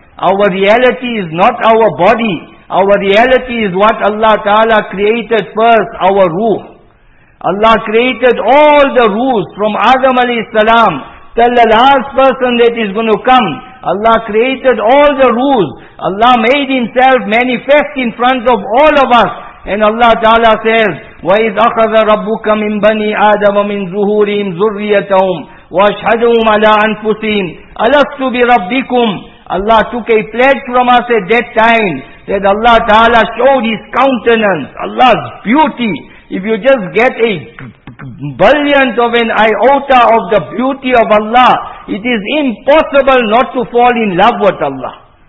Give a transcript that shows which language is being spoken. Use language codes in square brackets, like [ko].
[en] Our reality is not our body. Our reality is what Allah Ta'ala created first, our ruh. Allah created all the ruhs from Adam alayhi salam till the last person that is going to come. Allah created all the ruhs. Allah made Himself manifest in front of all of us. And Allah Ta'ala says, [ar] وَإِذْ أَخَذَ رَبُّكَ مِنْ بَنِي آدَمَ مِنْ ظُهُورِهِمْ ذُرِّيَّتَهُمْ وَأَشْهَدُهُمْ عَلَىٰ أَنفُسِهِمْ أَلَسْتُ بِرَبِّكُمْ. [en] Allah took a pledge from us at that time that Allah Ta'ala showed His countenance, Allah's beauty. If you just get a brilliant of an iota of the beauty of Allah, it is impossible not to fall in love with Allah.